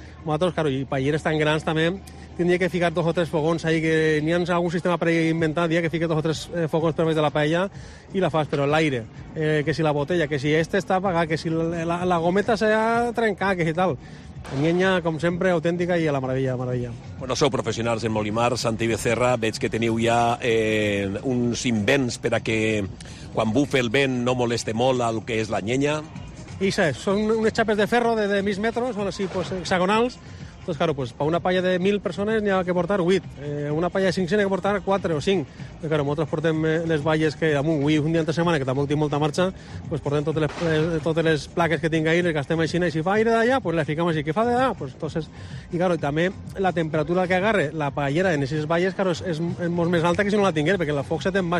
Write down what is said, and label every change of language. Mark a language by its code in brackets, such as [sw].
[es] Nosotros, claro, y paelleres tan grandes también, tendría que ficar dos o tres fogones ahí, que ni han algún sistema preinventado, ya que fique dos o tres fogones [ca] per mes de la paella [es] y la fas, pero el aire, que si la botella, que si este está apagado, que si la gometa se ha trencado, que si tal. [ca] Ñeña, com sempre, autèntica i a la meravella, meravella. Bueno, sou professionals en Molimar, Santi Becerra, veig que teniu ja uns invents per a que quan bufe el vent no moleste molt el que és la ñeña. I saps, són unes xapes de ferro de mig metro, són així, pues, hexagonals. [es] Entonces, claro, pues para una paella de 1.000 personas [ca] n'hi ha que portar [es] 8. [ca] Una paella de 5 n'hi ha que portar 4 o 5. Pues, claro, nosotros portem les valles que amunt, avui un dia entre setmana, que tampoc tinc molta marxa, pues portem totes les plaques que tinc ahí, les gastem aixina, i si fa aire d'allà, pues les ficam així. ¿Qué fa d'allà? [es] Pues entonces... [ca] I, claro, i també la temperatura que agarre la paellera en aquestes valles, claro, és molt més alta que si no la tingués, perquè el foc se te'n va.